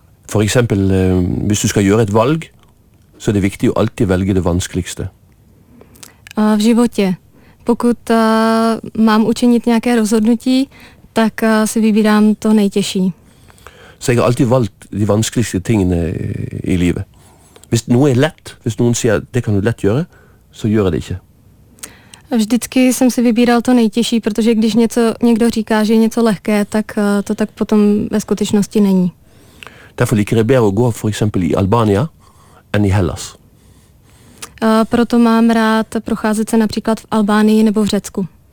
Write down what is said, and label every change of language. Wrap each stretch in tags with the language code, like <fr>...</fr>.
<no>For eksempel, hvis du skal gjøre et valg, så er det viktig å alltid velge det vanskeligste.</no> <cs>V životě. Pokud mám učinit nějaké rozhodnutí, tak si vybírám to nejtěžší.</cs> <no>Så jeg har alltid valgt de vanskeligste tingene i livet. Hvis noe er lett, hvis noen sier det kan du lett gjøre, så gjør jeg det ikke.</no> <cs>Vždycky jsem si vybíral to nejtěžší, protože když někdo říká, že je něco lehké, tak to tak potom ve skutečnosti není.</cs> <no>Derfor liker jeg bedre å gå for eksempel i Albania enn i Hellas.</no> <cs>Proto mám rád procházet se například v Albánii nebo v Řecku.</cs>